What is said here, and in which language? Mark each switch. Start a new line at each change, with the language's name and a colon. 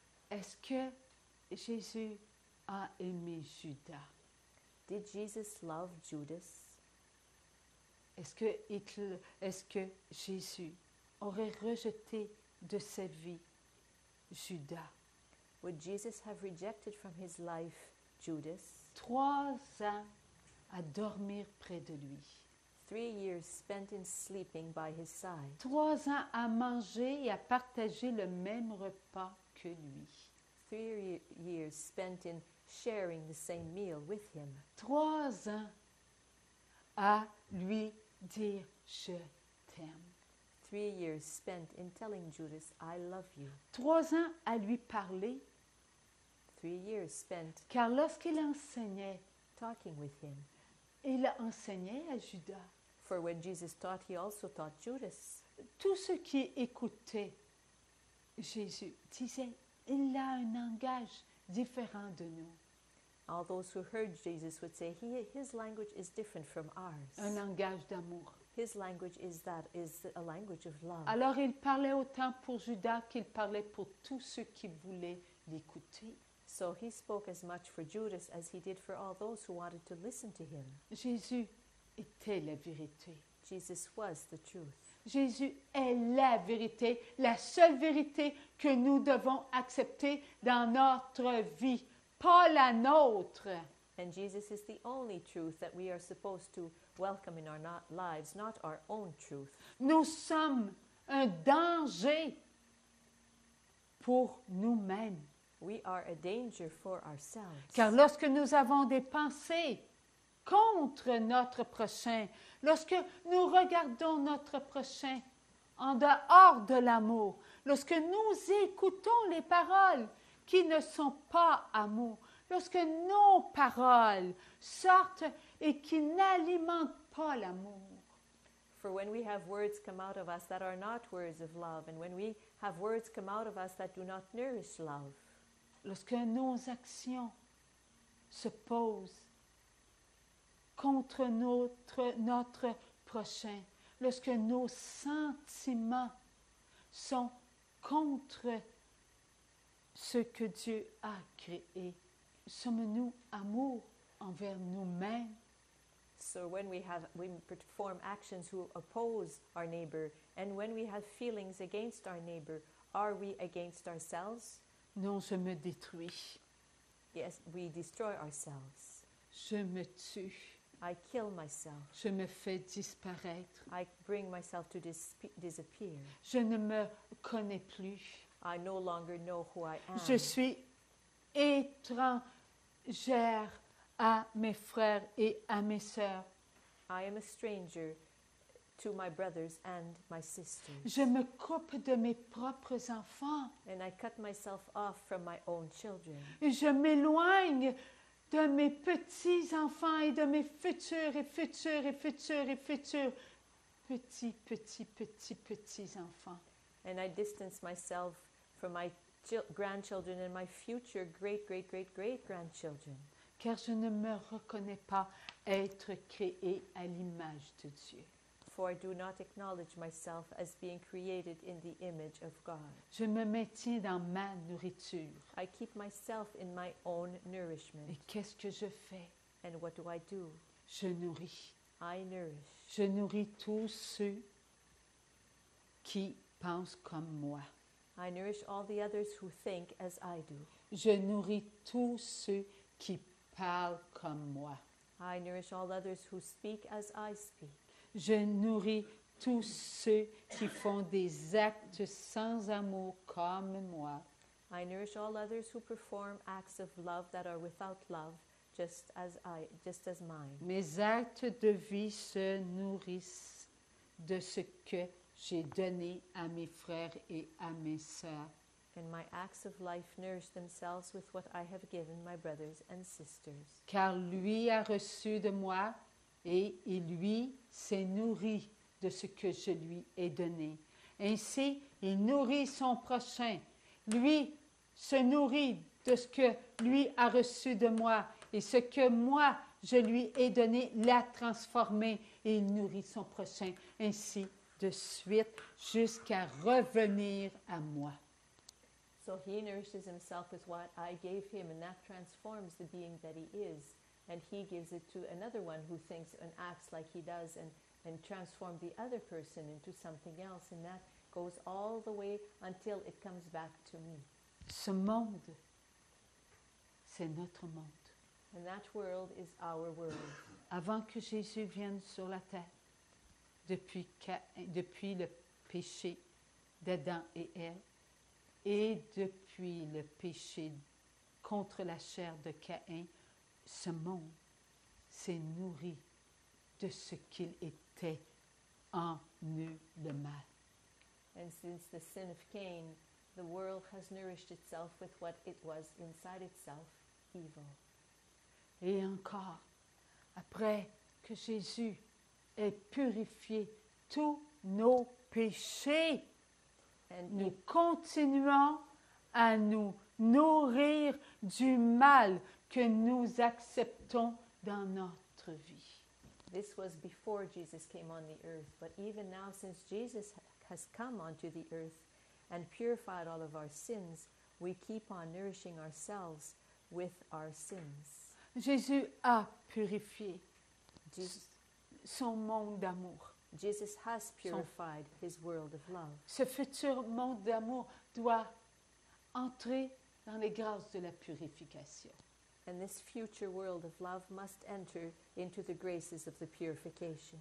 French: Est-ce que Jésus a aimé Judas?
English: Did Jesus love Judas?
French: Est-ce que Jésus aurait rejeté de sa vie Judas?
English: Would Jesus have rejected from his life Judas?
French: 3 ans à dormir près de lui.
English: 3 years spent in sleeping by his side.
French: 3 ans à manger et à partager le même repas que lui.
English: 3 years spent in sharing the same meal with him.
French: 3 ans à lui dire je t'aime.
English: 3 years spent in telling Judas, I love you.
French: 3 ans à lui parler.
English: 3 years spent.
French: Car lorsqu'il enseignait,
English: talking with him,
French: il enseignait à Judas.
English: For when Jesus taught, he also taught Judas.
French: Tous ceux qui écoutaient Jésus disaient, il a un langage différent de nous.
English: All those who heard Jesus would say, his language is different from ours.
French: Un langage d'amour.
English: His language is a language of love.
French: Alors il parlait autant pour Judas qu'il parlait pour tous ceux qui voulaient l'écouter.
English: So he spoke as much for Judas as he did for all those who wanted to listen to him.
French: Jésus était la vérité.
English: Jesus was the truth.
French: Jésus est la vérité, la seule vérité que nous devons accepter dans notre vie, pas la nôtre.
English: And Jesus is the only truth that we are supposed to welcome in our lives, not our own truth.
French: Nous sommes un danger pour nous-mêmes.
English: We are a danger for ourselves.
French: Car lorsque nous avons des pensées contre notre prochain, lorsque nous regardons notre prochain en dehors de l'amour, lorsque nous écoutons les paroles qui ne sont pas amour, lorsque nos paroles sortent et qui n'alimentent pas l'amour.
English: For when we have words come out of us that are not words of love, and when we have words come out of us that do not nourish love.
French: Lorsque nos actions se posent contre notre prochain, lorsque nos sentiments sont contre ce que Dieu a créé, sommes-nous amour envers nous-mêmes?
English: So when we perform actions who oppose our neighbor, and when we have feelings against our neighbor, are we against ourselves?
French: Non, je me détruis.
English: Yes, we destroy ourselves.
French: Je me tue.
English: I kill myself.
French: Je me fais disparaître.
English: I bring myself to disappear.
French: Je ne me connais plus.
English: I no longer know who I am.
French: Je suis étrangère à mes frères et à mes sœurs.
English: I am a stranger to my brothers and my sisters.
French: Je me coupe de mes propres enfants.
English: And I cut myself off from my own children.
French: Je m'éloigne de mes petits-enfants et de mes futurs et futurs et futurs et futurs petits, petits, petits, petits-enfants.
English: And I distance myself from my grandchildren and my future great-great-great-great-grandchildren.
French: Car je ne me reconnais pas être créé à l'image de Dieu.
English: For I do not acknowledge myself as being created in the image of God.
French: Je me maintiens dans ma nourriture.
English: I keep myself in my own nourishment.
French: Et qu'est-ce que je fais?
English: And what do I do?
French: Je nourris.
English: I nourish.
French: Je nourris tous ceux qui pensent comme moi.
English: I nourish all the others who think as I do.
French: Je nourris tous ceux qui parlent comme moi.
English: I nourish all others who speak as I speak.
French: Je nourris tous ceux qui font des actes sans amour comme moi.
English: I nourish all others who perform acts of love that are without love, just as mine.
French: Mes actes de vie se nourrissent de ce que j'ai donné à mes frères et à mes sœurs.
English: And my acts of life nourish themselves with what I have given my brothers and sisters.
French: Car lui a reçu de moi. Et il lui s'est nourri de ce que je lui ai donné. Ainsi, il nourrit son prochain. Lui se nourrit de ce que lui a reçu de moi. Et ce que moi, je lui ai donné la transformer et il nourrit son prochain ainsi de suite jusqu'à revenir à moi.
English: So he nourishes himself with what I gave him and that transforms the being that he is and he gives it to another one who thinks and acts like he does and transform the other person into something else and that goes all the way until it comes back to me.
French: Ce monde, c'est notre monde.
English: And that world is our world.
French: Avant que Jésus vienne sur la terre, depuis le péché d'Adam et Ève, et depuis le péché contre la chair de Caïn, ce monde s'est nourri de ce qu'il était en eux, le mal.
English: And since the sin of Cain, the world has nourished itself with what it was inside itself, evil.
French: Et encore, après que Jésus ait purifié tous nos péchés,
English: and
French: nous continuons à nous nourrir du mal que nous acceptons dans notre vie.
English: This was before Jesus came on the earth, but even now since Jesus has come onto the earth and purified all of our sins, we keep on nourishing ourselves with our sins.
French: Jésus a purifié son monde d'amour.
English: Jesus has purified his world of love.
French: Ce futur monde d'amour doit entrer dans les grâces de la purification.
English: And this future world of love must enter into the graces of the purification.